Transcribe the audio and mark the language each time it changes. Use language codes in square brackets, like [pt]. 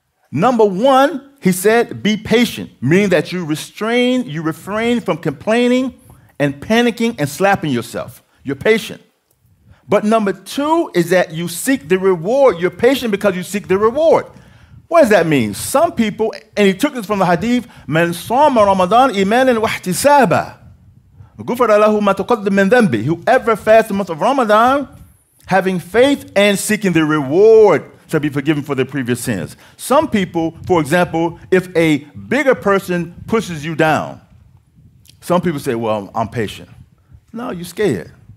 [en] Number one, he said, be patient, meaning that you refrain from complaining and panicking and slapping yourself. You're patient. But number two is that you seek the reward. You're patient because you seek the reward. What does that mean? Some people, and he took this from the hadith, [ar] من صام رمضان إيمانا واحتسابا غفر له ما تقدم من ذنبه. [en] Whoever fasts the month of Ramadan, having faith and seeking the reward, shall be forgiven for their previous sins. Some people, for example, if a bigger person pushes you down, some people say, well, I'm patient. No, you're scared.